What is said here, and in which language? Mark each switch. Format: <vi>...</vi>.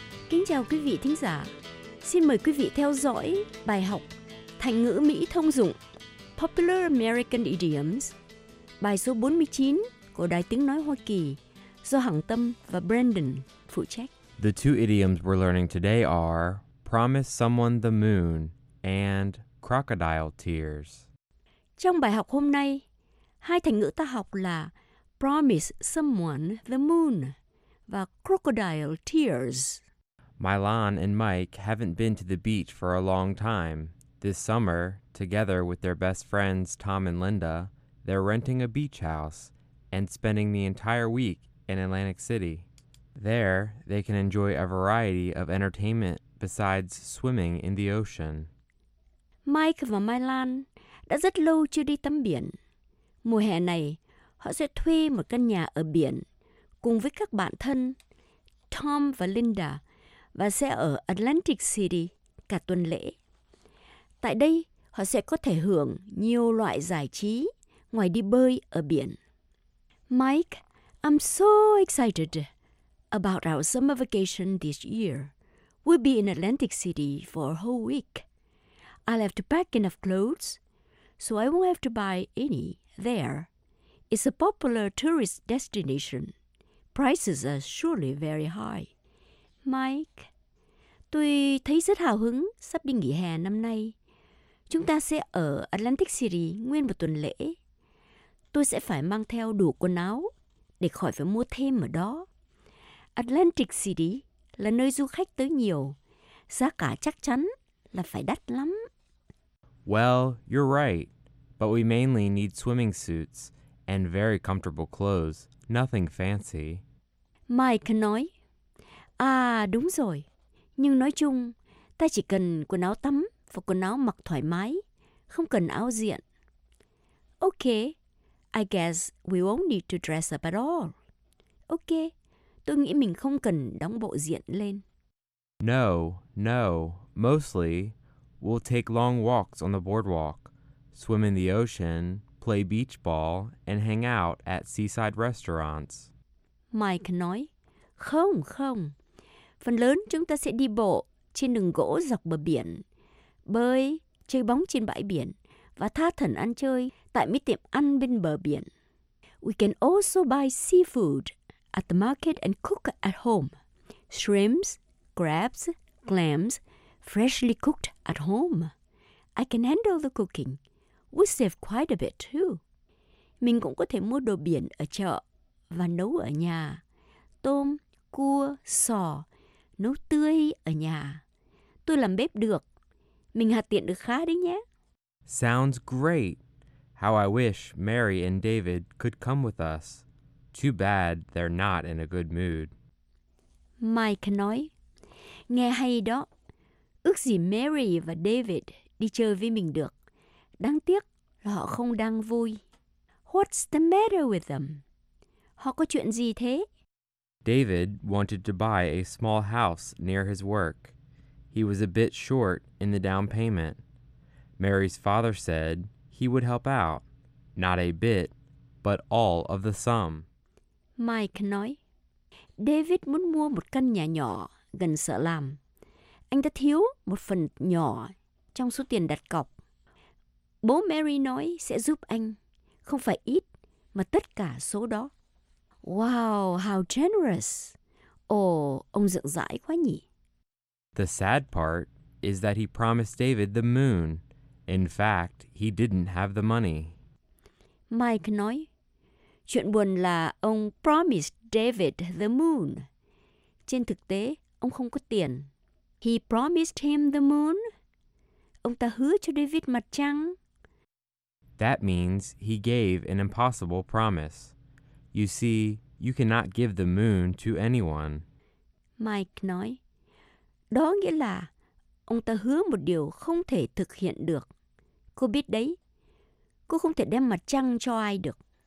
<vi>Kính chào quý vị thính giả. Xin mời quý vị theo dõi bài học thành ngữ Mỹ thông dụng Popular American Idioms, bài số 49 của Đài Tiếng Nói Hoa Kỳ, do Hằng Tâm và Brandon phụ trách.</vi> <en>The two idioms we're learning today are Promise Someone the Moon and Crocodile Tears.</en> <vi>Trong bài học hôm nay, hai thành ngữ ta học là Promise Someone the Moon và Crocodile Tears.</vi> <en>Milan and Mike haven't been to the beach for a long time. This summer, together with their best friends Tom and Linda, they're renting a beach house and spending the entire week in Atlantic City. There, they can enjoy a variety of entertainment besides swimming in the ocean.</en> <vi>Mike và Milan đã rất lâu chưa đi tắm biển. Mùa hè này, họ sẽ thuê một căn nhà ở biển cùng với các bạn thân Tom và Linda và sẽ ở Atlantic City cả tuần lễ. Tại đây, họ sẽ có thể hưởng nhiều loại giải trí ngoài đi bơi ở biển.</vi> <en>Mike, I'm so excited about our summer vacation this year. We'll be in Atlantic City for a whole week. I'll have to pack enough clothes, so I won't have to buy any there. It's a popular tourist destination. Prices are surely very high.</en> <vi>Mike, tôi thấy rất hào hứng sắp đi nghỉ hè năm nay. Chúng ta sẽ ở Atlantic City nguyên một tuần lễ. Tôi sẽ phải mang theo đủ quần áo để khỏi phải mua thêm ở đó. Atlantic City là nơi du khách tới nhiều. Giá cả chắc chắn là phải đắt lắm.</vi> <en>Well, you're right. But we mainly need swimming suits and very comfortable clothes. Nothing fancy.</en> <vi>Mike nói, à đúng rồi. Nhưng nói chung, ta chỉ cần quần áo tắm và quần áo mặc thoải mái, không cần áo diện.</vi> <en>Okay, I guess we won't need to dress up at all.</en> <vi>Okay, tôi nghĩ mình không cần đóng bộ diện lên.</vi> <en>No, no, mostly we'll take long walks on the boardwalk, swim in the ocean, play beach ball, and hang out at seaside restaurants.</en> <vi>Mike nói, không, không. Phần lớn chúng ta sẽ đi bộ trên đường gỗ dọc bờ biển, bơi, chơi bóng trên bãi biển và tha thần ăn chơi tại mấy tiệm ăn bên bờ biển.</vi> <en>We can also buy seafood at the market and cook at home. Shrimps, crabs, clams, freshly cooked at home. I can handle the cooking. We save quite a bit too.</en> <vi>Mình cũng có thể mua đồ biển ở chợ và nấu ở nhà. Tôm, cua, sò, nấu tươi ở nhà. Tôi làm bếp được. Mình hạ tiện được khá đấy nhé.</vi> <en>Sounds great. How I wish Mary and David could come with us. Too bad they're not in a good mood.</en> <vi>Mike nói, nghe hay đó. Ước gì Mary và David đi chơi với mình được. Đáng tiếc là họ không đang vui.</vi> <en>What's the matter with them?</en> <vi>Họ có chuyện gì thế?</vi> <en>David wanted to buy a small house near his work. He was a bit short in the down payment. Mary's father said he would help out. Not a bit, but all of the sum.</en> <vi>Mike nói, David muốn mua một căn nhà nhỏ gần sở làm. Anh ta thiếu một phần nhỏ trong số tiền đặt cọc. Bố Mary nói sẽ giúp anh, không phải ít, mà tất cả số đó.</vi> <en>Wow, how generous.</en> <vi>Oh, ông rộng rãi quá nhỉ.</vi> <en>The sad part is that he promised David the moon. In fact, he didn't have the money.</en> <vi>Mike nói, chuyện buồn là ông</vi> <en>promised David the moon.</en> <vi>Trên thực tế, ông không có tiền.</vi> <en>He promised him the moon.</en> <vi>Ông ta hứa cho David mặt trăng.</vi> <en>That means he gave an impossible promise. You see, you cannot give the moon to anyone.</en> <vi>Mike nói, đó nghĩa là ông ta hứa một điều không thể thực hiện được. Cô biết đấy, cô không thể đem mặt trăng cho ai được.</vi>